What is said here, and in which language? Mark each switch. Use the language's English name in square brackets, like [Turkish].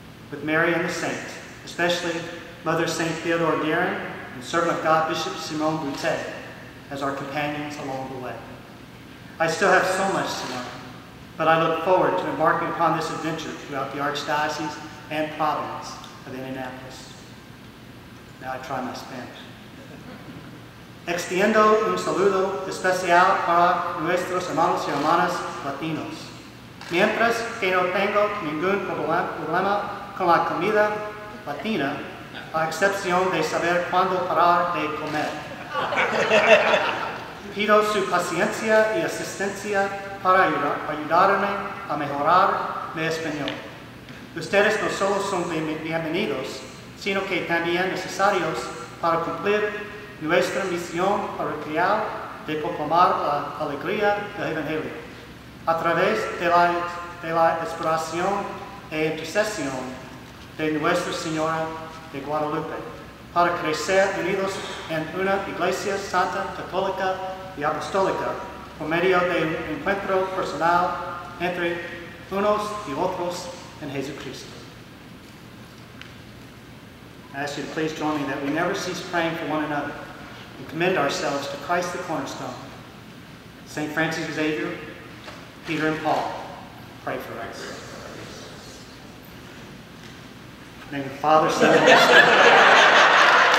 [English] With Mary and the saints, especially Mother Saint Theodore Guérin and Servant of God Bishop Simone Boutet, as our companions along the way. I still have so much to learn, but I look forward to embarking upon this adventure throughout the Archdiocese and province of Indianapolis. Now I try my Spanish. [Spanish] Extiendo un saludo especial para nuestros hermanos y hermanas latinos. Mientras que no tengo ningún problema con la comida latina, a excepción de saber cuándo parar de comer. Pido su paciencia y asistencia para ayudarme a mejorar mi español. Ustedes no solo son bienvenidos, sino que también necesarios para cumplir nuestra misión parroquial de proclamar la alegría del Evangelio a través de la inspiración e intercesión de Nuestra Señora de Guadalupe para crecer unidos en una iglesia santa, católica y apostólica por medio de un encuentro personal entre unos y otros en Jesucristo. [English] I ask you to please join me that we never cease praying for one another and commend ourselves to Christ the cornerstone. St. Francis Xavier, Peter and Paul, pray for us. In the name of the Father, Son, and Holy Spirit.